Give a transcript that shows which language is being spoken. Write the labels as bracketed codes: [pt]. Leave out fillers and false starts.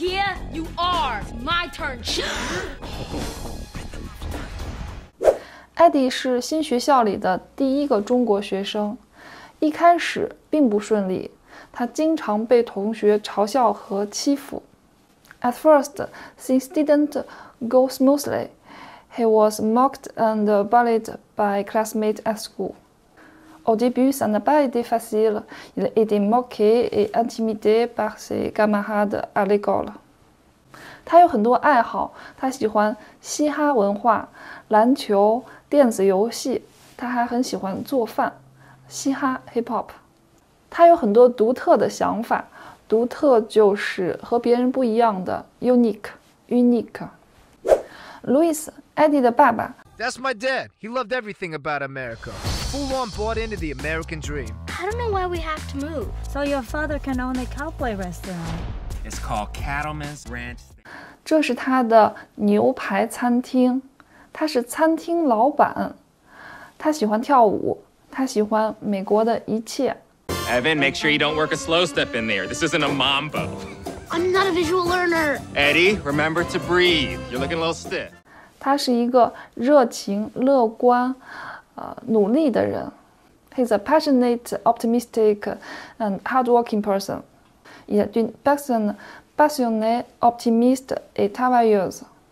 [en] Yeah, you are. My turn. [zh] Eddie 是新学校里的第一个中国学生，一开始并不顺利，他经常被同学嘲笑和欺负。 [en] At first, things didn't go smoothly. He was mocked and bullied by classmates at school. [fr] Au début, ça n'a pas été facile. Il était moqué et intimidé par ses camarades à l'école. [zh] 他有很多爱好，他喜欢嘻哈文化、篮球、电子游戏，他还很喜欢做饭，嘻哈 [en] hip hop. [zh] 他有很多独特的想法。独特就是和别人不一样的 [en] unique, unique. [zh] Louis, Eddie 的爸爸 [en] That's my dad. He loved everything about America. Full on bought into the American dream. I don't know why we have to move. So your father can own a cowboy restaurant. It's called Cattleman's Ranch. [zh] 这是他的牛排餐厅，他是餐厅老板。他喜欢跳舞，他喜欢美国的一切。 [en] Evan, make sure you don't work a slow step in there. This isn't a mambo. I'm not a visual learner. Eddie, remember to breathe. You're looking a little stiff. [zh] 他是一个热情、乐观、努力的人。 [en] He's a passionate, optimistic, and hardworking person. [fr] Il est une personne passionnée, optimiste et travailleuse.